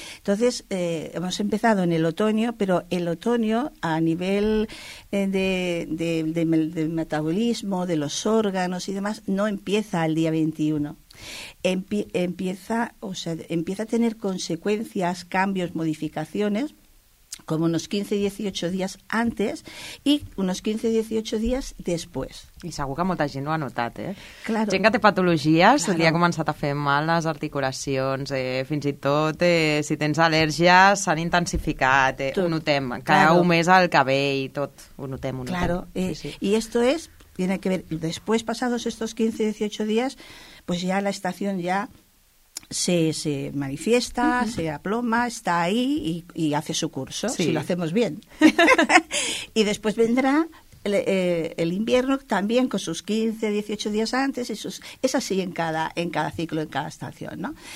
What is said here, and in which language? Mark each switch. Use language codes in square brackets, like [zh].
[es] Entonces, hemos empezado en el otoño, pero el otoño a nivel de metabolismo, de los órganos y demás, no empieza el día 21. Empieza a tener consecuencias, cambios, modificaciones, como unos 15-18 días antes y unos 15-18 días después. [ca] I segur que molta gent ho ha notat, eh? Claro. Gent que té patologies, claro, li ha començat a fer mal les articulacions, fins i tot si tens al·lèrgies s'han intensificat, ho notem, cada un mes al cabell i tot, ho notem. [es] Claro, y esto es, tiene que ver, después pasados estos 15-18 días, pues ya la estación ya se manifiesta, se aploma, está ahí y hace su curso, sí, si lo hacemos bien. Y después vendrá el invierno también con sus 15-18 días antes, y sus, es así en cada ciclo, en cada estación, ¿no?